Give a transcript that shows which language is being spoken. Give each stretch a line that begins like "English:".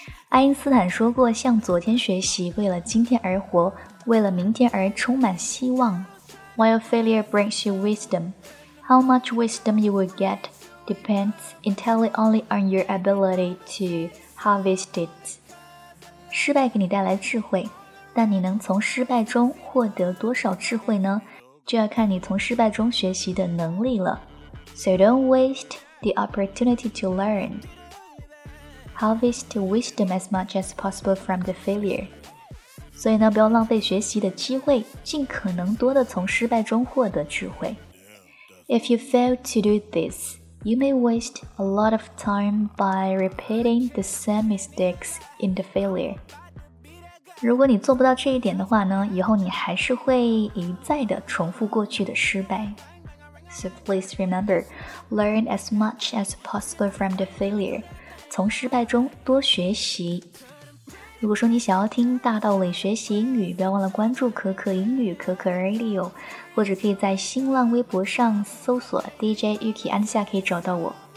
Chinese: 爱因斯坦说过，向昨天学习，为了今天而活，为了明天而充满希望。
English: While failure brings you wisdom, how much wisdom you will get depends entirely only on your ability to harvest it.
Chinese: 失败给你带来智慧，但你能从失败中获得多少智慧呢？就要看你从失败中学习的能力了。
English: So don't waste the opportunity to learn. Harvest wisdom as much as possible from the failure.
Chinese: 所以呢，不要浪费学习的机会，尽可能多的从失败中获得智慧。
English: If you fail to do this, you may waste a lot of time by repeating the same mistakes in the failure.
Chinese: 如果你做不到这一点的话呢，以后你还是会一再的重复过去的失败。
English: So please remember, learn as much as possible from the failure.
Chinese: 从失败中多学习。如果说你想要听大道理学习英语，不要忘了关注可可英语可可 Radio， 或者可以在新浪微博上搜索 DJ Yuki 安夏，可以找到我。